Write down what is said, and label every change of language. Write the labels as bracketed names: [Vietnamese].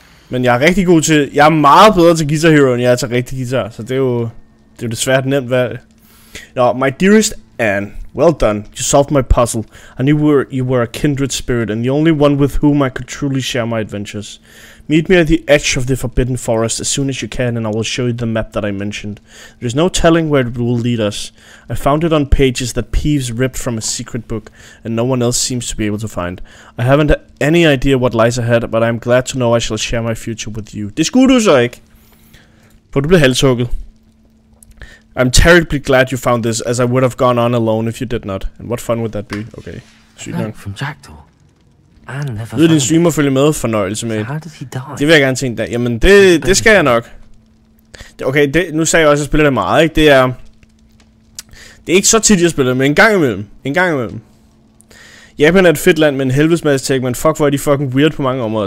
[Danish] Men jeg er rigtig god til... Jeg er meget bedre til Guitar Hero, end jeg er til rigtig guitar. Så det er jo... Det er jo desværre et nemt valg. Nå, [English] my dearest Anne. Well done. You solved my puzzle. I knew you were a kindred spirit, and the only one with whom I could truly share my adventures. Meet me at the edge of the Forbidden Forest as soon as you can, and I will show you the map that I mentioned. There is no telling where it will lead us. I found it on pages that Peeves ripped from a secret book, and no one else seems to be able to find. I haven't any idea what lies ahead, but I am glad to know I shall share my future with you. [Danish] Det skulle du så ikke. For du blev halshugget. [English] I'm terribly glad you found this, as I would have gone on alone if you did not. And what fun would that be? Okay. [Danish] Sygt nok. From Jackdaw. Lyd din streamer følge med, fornøjelse med. Det vil jeg gerne tænke dig. Jamen, det skal jeg nok. Okay, nu sagde jeg også, at jeg spiller det meget, ikke? Det er ikke så tit, jeg spiller det, men en gang imellem. Japan er et fedt land med en helvedes masse tech, men fuck, hvor er de fucking weird på mange områder.